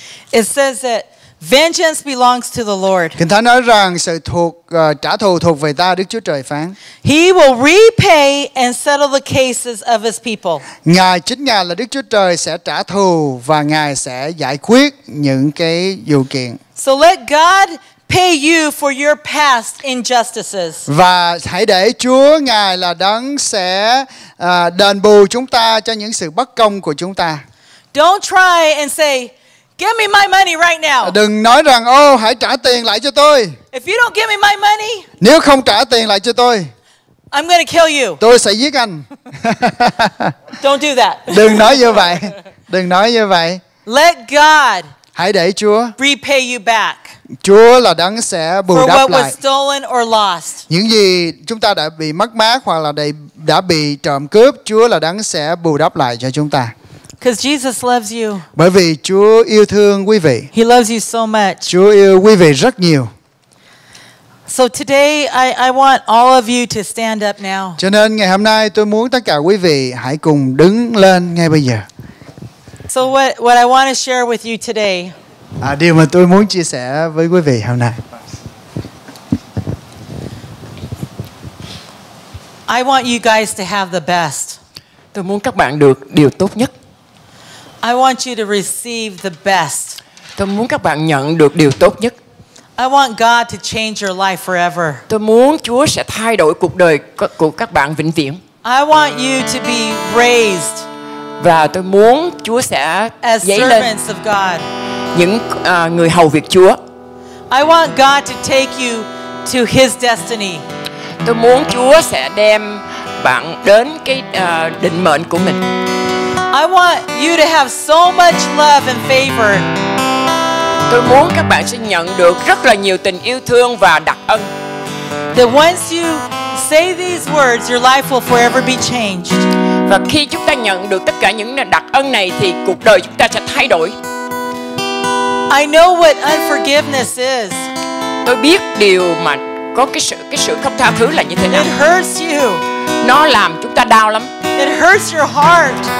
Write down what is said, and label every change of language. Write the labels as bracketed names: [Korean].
[English] It says that vengeance belongs to the Lord. [Vietnamese] Kinh Thánh nói rằng sự trả thù thuộc về ta, Đức Chúa Trời phán. [English] He will repay and settle the cases of his people. [Vietnamese] Ngài chính Ngài là Đức Chúa Trời sẽ trả thù và Ngài sẽ giải quyết những cái vụ kiện. [English] So let God pay you for your past injustices. [Vietnamese] Và hãy để Chúa Ngài là Đấng sẽ đền bù chúng ta cho những sự bất công của chúng ta. [English] Don't try and say, give me my money right now. [Vietnamese] Đừng nói rằng ô hãy trả tiền lại cho tôi. [English] If you don't give me my money, [Vietnamese] nếu không trả tiền lại cho tôi, [English] I'm going to kill you. [Vietnamese] Tôi sẽ giết anh. [English] Don't do that. [Vietnamese] Đừng nói như vậy. Đừng nói như vậy. [English] Let God. [Vietnamese] Hãy để Chúa [English] repay you back. [Vietnamese] Chúa là Đấng sẽ bù đắp lại [English] stolen or lost. [Vietnamese] Những gì chúng ta đã bị mất mát hoặc là đã bị trộm cướp, Chúa là Đấng sẽ bù đắp lại cho chúng ta. [English] Because Jesus loves you. [Vietnamese] Bởi vì Chúa yêu thương quý vị. [English] He loves you so much. [Vietnamese] Chúa yêu quý vị rất nhiều. [English] So today I want all of you to stand up now. [Vietnamese] Cho nên ngày hôm nay tôi muốn tất cả quý vị hãy cùng đứng lên ngay bây giờ. [English] So what I want to share with you today. [Vietnamese] Điều mà tôi muốn chia sẻ với quý vị hôm nay. [English] I want you guys to have the best. [Vietnamese] Tôi muốn các bạn được điều tốt nhất. [English] I want you to receive the best. [Vietnamese] Tôi muốn các bạn nhận được điều tốt nhất. [English] I want God to change your life forever. [Vietnamese] Tôi muốn Chúa sẽ thay đổi cuộc đời của các bạn vĩnh viễn. [English] I want you to be raised. [Vietnamese] Và tôi muốn Chúa sẽ [English] as [Vietnamese] dấy [English] servants [Vietnamese] lên [English] of God. [Vietnamese] Những người hầu việc Chúa. [English] I want God to take you to his destiny. [Vietnamese] Tôi muốn Chúa sẽ đem bạn đến cái định mệnh của mình. [English] I want you to have so much love and favor. [Vietnamese] Tôi muốn các bạn sẽ nhận được rất là nhiều tình yêu thương và đặc ân. [English] That once you say these words, your life will forever be changed. [Vietnamese] Và khi chúng ta nhận được tất cả những đặc ân này thì cuộc đời chúng ta sẽ thay đổi. [English] I know what unforgiveness is. [Vietnamese] Tôi biết điều mà có cái sự không tha thứ là như thế nào. [English] It hurts you. [Vietnamese] Nó làm chúng ta đau lắm. [English] It hurts your heart.